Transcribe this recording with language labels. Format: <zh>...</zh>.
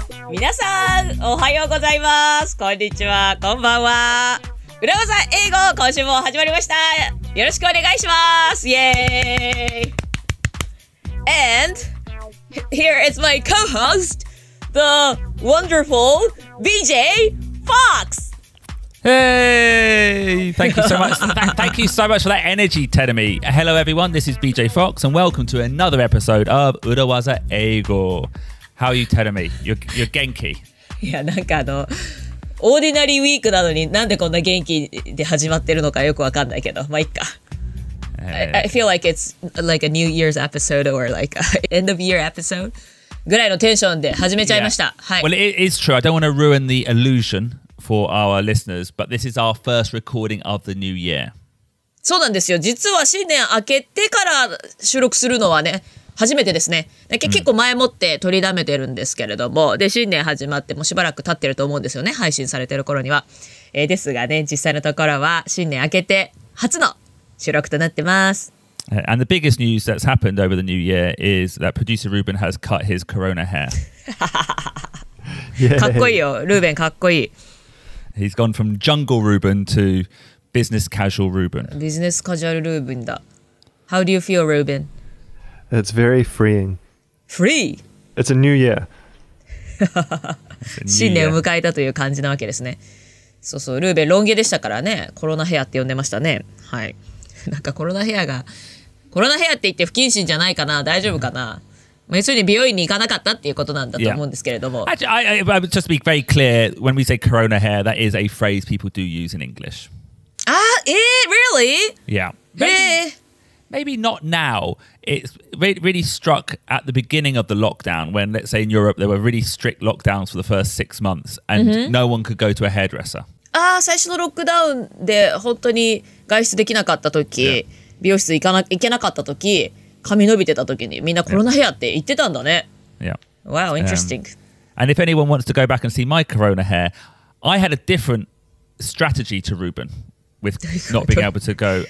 <ja>皆さん、おはようございます、こんにちは、こんばんは。裏技英語、今週も始まりました。よろしくお願いします。イエーイ。</ja> <en>And here is my co-host, the wonderful BJ Fox. Hey, thank you so much. thank you so much for that energy, Terumi. Hello everyone, this is BJ Fox and welcome to another episode of 裏技英語. How are you, Terumi? You're genki.</en> <ja>Yeah, なんかオーディナリーウィークなのになんでこんな元気で始まってるのかよくわかんないけど、まあいっか。</ja> <en>I feel like it's like a New Year's episode or like an end of year episode</en> <ja>ぐらいのテンションで始めちゃいました。</ja> <en>はい。Well, it is true. I don't want to ruin the illusion for our listeners, but this is our first recording of the new year.</en> <ja>そうなんですよ。実は新年明けてから収録するのはね、初めてですね。結構前もって取りだめてるんですけれども、で、新年始まってもしばらく経ってると思うんですよね、配信されてる頃には。ですがね、実際のところは新年明けて初の収録となってます。</ja> <en>And the biggest news that's happened over the new year is that producer Ruben has cut his corona hair.</en> <ja>かっこいいよ、ルーベンかっこいい。</ja> <en>He's gone from jungle Ruben to business casual Ruben. Business casual Ruben だ。How do you feel, Ruben? It's very freeing. Free? It's a new year.</en> <ja>新年を迎えたという感じなわけですね。そうそう、ルーベンロン毛でしたからね、コロナヘアって呼んでましたね。はい。なんかコロナヘアが、コロナヘアって言って不謹慎じゃないかな、大丈夫かな。まあ、要するに美容院に行かなかったっていうことなんだと思うんですけれども。</ja> <en>Yeah. Actually, I would just be very clear, when we say corona hair, that is a phrase people do use in English. Ah, really? Yeah. Maybe not now. It's really struck at the beginning of the lockdown, when let's say in Europe, there were really strict lockdowns for the first 6 months, and no one could go to a hairdresser.</en> <ja>Ah, 最初のロックダウンで本当に外出できなかった時、美容室行けなかった時、髪伸びてた時にみんなコロナヘアって言ってたんだね。</ja> <en>Yeah. Wow, interesting. And if anyone wants to go back and see my corona hair, I had a different strategy to Ruben with not being able to go.</en>